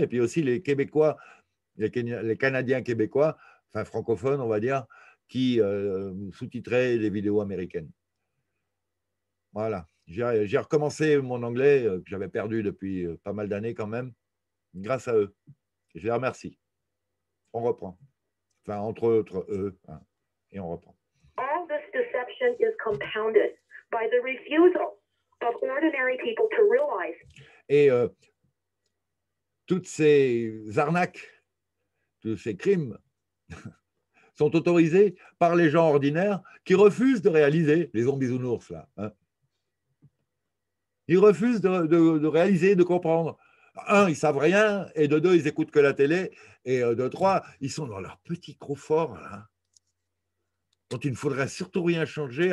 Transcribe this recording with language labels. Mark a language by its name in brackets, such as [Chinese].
[French] Et puis aussi, les Québécois, les Canadiens québécois, enfin francophones, on va dire, qui sous-titraient les vidéos américaines. Voilà, j'ai recommencé mon anglais que j'avais perdu depuis pas mal d'années quand même, grâce à eux. Je les remercie. On reprend. Enfin, entre autres, eux, hein, et on reprend. [English] All this deception is compounded by the refusal of ordinary people to realize. [French] Et toutes ces arnaques, tous ces crimes sont autorisés par les gens ordinaires qui refusent de réaliser les zombies ou nours, là, hein. Ils refusent de réaliser, de comprendre. Un, ils savent rien, et de deux, ils écoutent que la télé, et de trois, ils sont dans leur petit confort, là, dont il ne faudrait surtout rien changer.